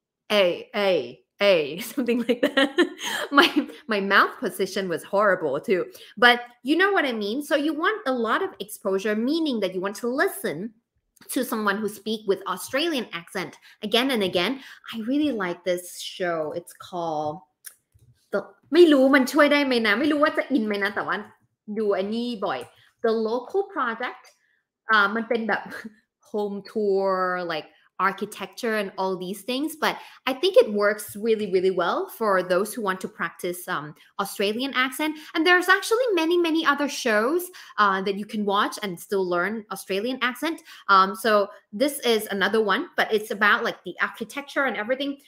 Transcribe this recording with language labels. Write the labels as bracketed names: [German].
[English] A, something like that. my mouth position was horrible too. But you know what I mean? So you want a lot of exposure, meaning that you want to listen to someone who speak with Australian accent again and again. I really like this show. It's called... [Thai] ไม่รู้มันช่วยได้ไหมนะไม่รู้ว่าจะอินไหมนะแต่ว่าดูอันนี้บ่อย The Local Project. มันเป็นแบบ home tour, like... [English] architecture and all these things, but I think it works really, really well for those who want to practice Australian accent. And there's actually many, many other shows that you can watch and still learn Australian accent. So this is another one, but it's about like the architecture and everything.